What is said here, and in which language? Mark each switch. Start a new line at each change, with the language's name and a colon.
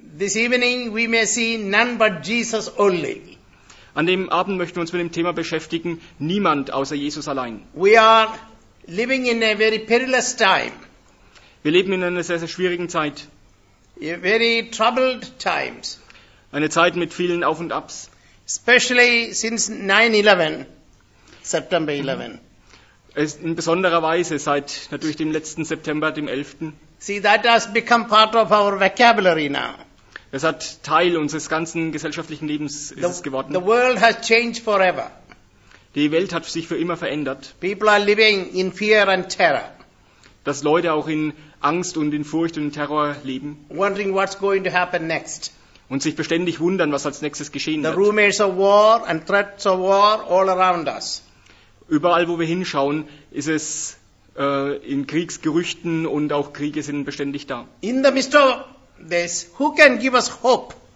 English: This evening we may see none but Jesus only.
German: An dem Abend möchten wir uns mit dem Thema beschäftigen, niemand außer Jesus allein.
English: We are living in a very perilous time.
German: Wir leben in einer sehr, sehr schwierigen Zeit.
English: Very troubled times.
German: Eine Zeit mit vielen Auf und Abs.
English: Especially since 9/11, September 11.
German: In besonderer Weise seit natürlich dem letzten September, dem 11.
English: See, that has become part of our vocabulary now.
German: Es hat Teil unseres ganzen gesellschaftlichen Lebens ist geworden.
English: The world has changed forever.
German: Die Welt hat sich für immer verändert.
English: People are living in fear and terror.
German: Dass Leute auch in Angst und in Furcht und in Terror leben.
English: Wondering what's going to happen next.
German: Und sich beständig wundern, was als nächstes geschehen
English: the
German: wird.
English: The rumors of war and threats of war all around us.
German: Überall, wo wir hinschauen, ist es in Kriegsgerüchten und auch Kriege sind beständig da.
English: In the midst of this, who can give us hope?